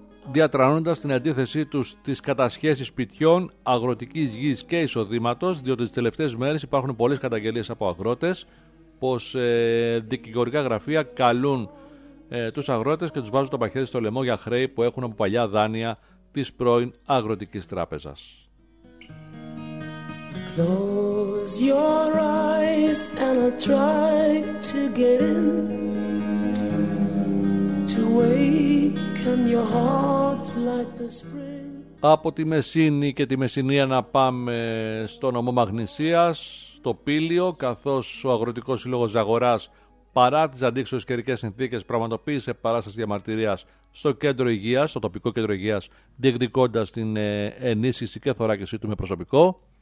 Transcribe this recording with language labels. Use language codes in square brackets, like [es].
[el] διατρανώντας την αντίθεσή τους στις κατασχέσεις σπιτιών, αγροτικής γης και εισοδήματος, διότι τις τελευταίες μέρες υπάρχουν πολλές καταγγελίες από αγρότες πως δικηγορικά γραφεία καλούν τους αγρότες και τους βάζουν το παχαίρι στο λαιμό για χρέη που έχουν από παλιά δάνεια της πρώην Αγροτικής Τράπεζας. [en] Close your eyes and I'll try to get in to awaken your heart like the spring. [el] Από τη Μεσσίνη και τη Μεσσηνία να πάμε στο νομό Μαγνησίας, στο Πήλιο, καθώς ο Αγροτικός Σύλλογος Ζαγοράς, παρά τις αντίξωες καιρικές συνθήκες, πραγματοποίησε παράσταση διαμαρτυρίας στο κέντρο υγείας, στο τοπικό κέντρο υγείας, διεκδικώντας την ενίσχυση και θωράκισή του με προσωπικό.